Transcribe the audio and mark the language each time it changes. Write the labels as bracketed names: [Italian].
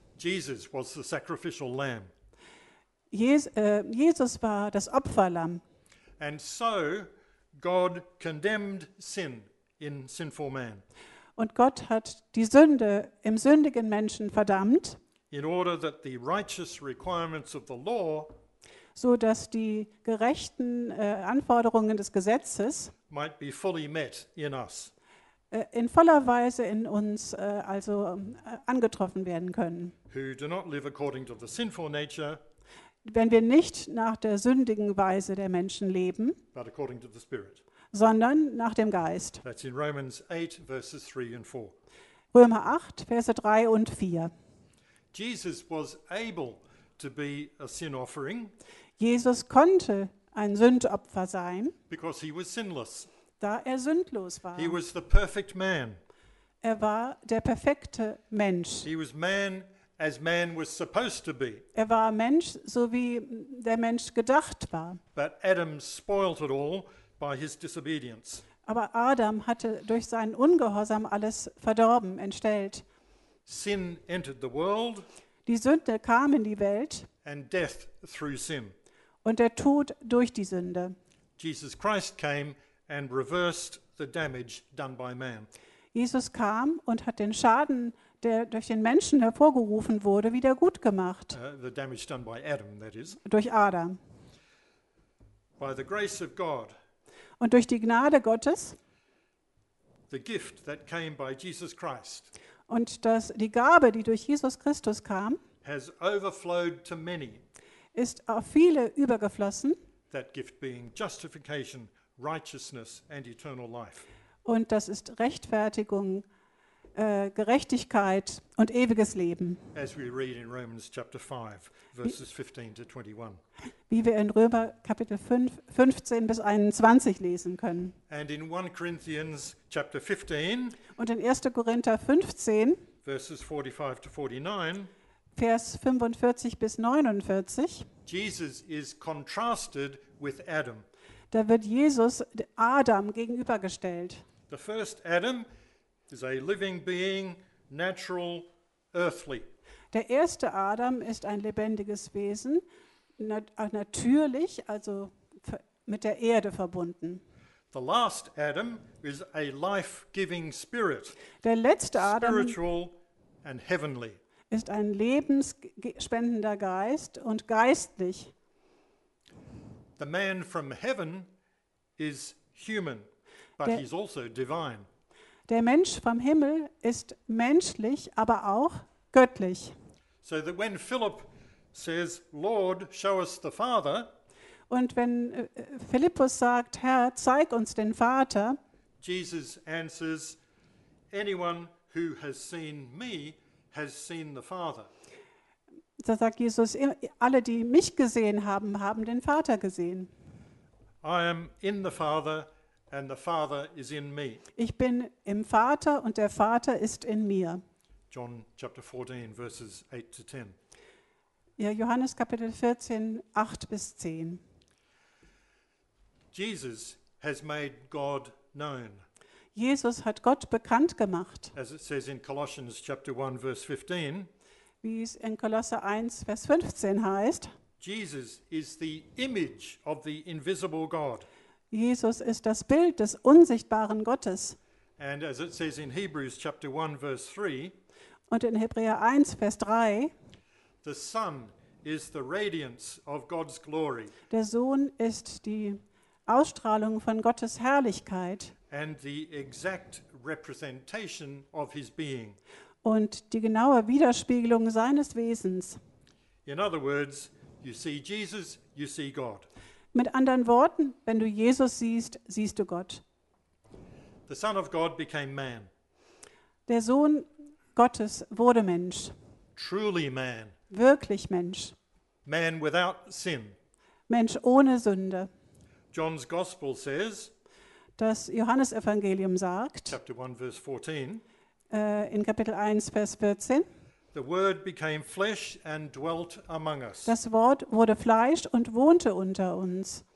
[English] Jesus was the sacrificial lamb. [German] Jesus war das Opferlamm. [English] And so God condemned sin in sinful man. [German] Und Gott hat die Sünde im sündigen Menschen verdammt. [English] In order that the righteous requirements of the law, [German] so dass die gerechten Anforderungen des Gesetzes, [English] might be fully met in us. [German] In voller Weise in uns also angetroffen werden können. [English] Who do not live according to the sinful nature, [German] wenn wir nicht nach der sündigen Weise der Menschen leben, [English] but according to the Spirit, [German] sondern nach dem Geist. [English] That's in Romans 8, verses 3 and 4. [German] Römer 8, Verse 3 und 4. [English] Jesus was able to be a sin offering. [German] Jesus konnte ein Sündopfer sein, [English] because he was sinless. [German] Da er sündlos war. [English] He was the perfect man. [German] Er war der perfekte Mensch. [English] He was man as man was supposed to be. [German] Er war Mensch, so wie der Mensch gedacht war. [English] But Adam spoilt it all by his disobedience. [German] Aber Adam hatte durch seinen Ungehorsam alles verdorben, entstellt. [English] Sin entered the world. [German] Die Sünde kam in die Welt. [English] And death through sin. [German] Und der Tod durch die Sünde. [English] Jesus Christ came and reversed the damage done by man. [German] Jesus kam und hat den Schaden, der durch den Menschen hervorgerufen wurde, wieder gut gemacht. [English] The damage done by Adam, that is. [German] Durch Adam. [English] By the grace of God. [German] Und durch die Gnade Gottes. [English] The gift that came by Jesus Christ. [German] Und dass die Gabe, die durch Jesus Christus kam, [English] has overflowed to many. [German] Ist auf viele übergeflossen. [English] That gift being justification, righteousness and eternal life. [German] Und das ist Rechtfertigung, Gerechtigkeit und ewiges Leben. [English] As we read in Romans chapter 5, verses 15 to 21. [German] Wie wir in Römer Kapitel 5, 15 bis 21 lesen können. [English] And in 1 Corinthians chapter 15. [German] Und in 1. Korinther 15. [English] Verses 45 to 49. [German] Vers 45 bis 49. [English] Jesus is contrasted with Adam. [German] Da wird Jesus Adam gegenübergestellt. [English] The first Adam is a living being, natural, earthly. [German] Der erste Adam ist ein lebendiges Wesen, natürlich, also mit der Erde verbunden. [English] The last Adam is a life-giving spirit. [German] Der letzte Adam, [English] spiritual and heavenly, [German] ist ein lebensspendender Geist und geistlich. [English] The man from heaven is human, but he's also divine. [German] Der Mensch vom Himmel ist menschlich, aber auch göttlich. [English] So that when Philip says, Lord, show us the Father, [German] und wenn Philippus sagt, Herr, zeig uns den Vater, [English] Jesus answers, anyone who has seen me has seen the Father. [German] Da sagt Jesus, alle, die mich gesehen haben, haben den Vater gesehen. [English] I am in the Father and the Father is in me. [German] Ich bin im Vater und der Vater ist in mir. [English] John chapter 14, verses 8 to 10. [German] Ja, Johannes Kapitel 14, 8 bis 10. [English] Jesus has made God known. [German] Jesus hat Gott bekannt gemacht. [English] As it says in Colossians chapter 1, verse 15. [German] Wie es in Kolosser 1, Vers 15 heißt. [English] Jesus is the image of the invisible God. [German] Jesus ist das Bild des unsichtbaren Gottes. [English] And as it says in Hebrews chapter 1, verse 3. [German] Und in Hebräer 1, Vers 3. [English] The Son is the radiance of God's glory. [German] Der Sohn ist die Ausstrahlung von Gottes Herrlichkeit. [English] And the exact representation of his being. [German] und die genaue Widerspiegelung seines Wesens. [English] In other words, you see Jesus, you see God. [German] Mit anderen Worten, wenn du Jesus siehst, siehst du Gott. [English] The Son of God became man. [German] Der Sohn Gottes wurde Mensch. [English] Truly man. [German] Wirklich Mensch. [English] Man without sin. [German] Mensch ohne Sünde. [English] John's Gospel says, [German] das Johannesevangelium sagt, [English] Chapter 1, verse 14, [German] in Kapitel 1, Vers 14, [English] the Word became flesh and dwelt among us. [German] Das Wort wurde Fleisch und wohnte unter uns.